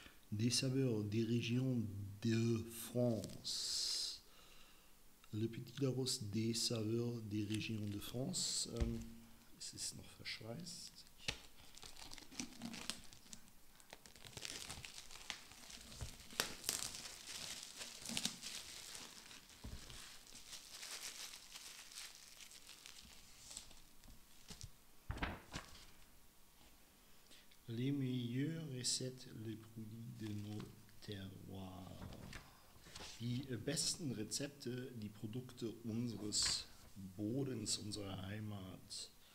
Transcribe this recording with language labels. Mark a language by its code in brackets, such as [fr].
[fr] Des saveurs des régions de France. Le Petit Larousse, des saveurs des régions de France. [de] Es ist noch verschweißt. [fr] Les meilleures recettes, les produits de nos terroirs. [de] Die besten Rezepte, die Produkte unseres Bodens, unserer Heimat.